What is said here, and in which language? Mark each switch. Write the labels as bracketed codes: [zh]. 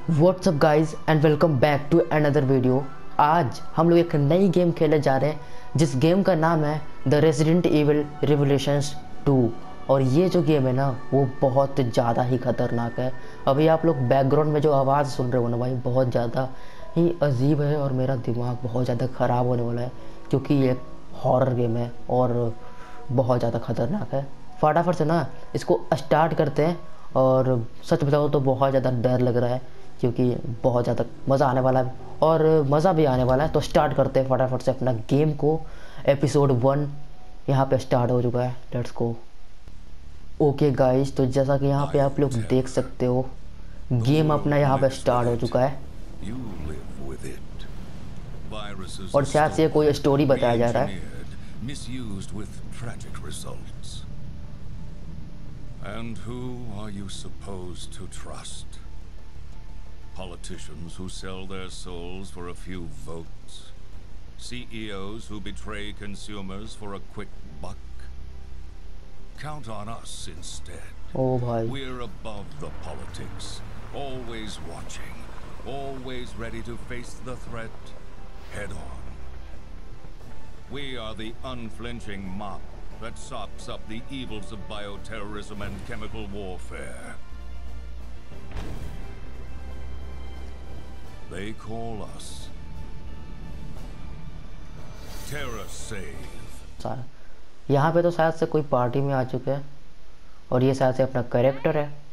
[en] What's up guys and welcome back to another video। [hi] आज हम लोग एक नई गेम खेलने जा रहे हैं जिस गेम का नाम है The Resident Evil Revelations 2। और ये जो गेम है ना वो बहुत ज़्यादा ही खतरनाक है। अभी आप लोग बैकग्राउंड में जो आवाज़ सुन रहे हो ना भाई, बहुत ज़्यादा ही अजीब है और मेरा दिमाग बहुत ज़्यादा ख़राब होने वाला है क्योंकि ये हॉरर गेम है और बहुत ज़्यादा खतरनाक है। फटाफट से ना इसको स्टार्ट करते हैं और सच बताओ तो बहुत ज़्यादा डर लग रहा है क्योंकि बहुत ज़्यादा मज़ा आने वाला है और मज़ा भी आने वाला है। तो स्टार्ट करते हैं फटाफट से अपना गेम को। एपिसोड 1 यहाँ पे स्टार्ट हो चुका है, [en] Let's go. [hi] ओके गाइस, तो जैसा कि यहाँ पे आप लोग देख सकते हो गेम अपना यहाँ पे स्टार्ट हो चुका है और शायद से कोई स्टोरी बताया जा रहा है। [en] Misused with tragic results. And who are you supposed to trust? Politicians who sell their souls for a few votes? CEOs who betray consumers for a quick buck? Count on us instead. Oh boy. We're above the politics, always watching, always ready to face the threat head on. We are the unflinching mop that sops up the evils of bioterrorism and chemical warfare. They call us Terror Save. [hi] यहाँ पे तो शायद से कोई party में आ चुके हैं और ये शायद से अपना करैक्टर है।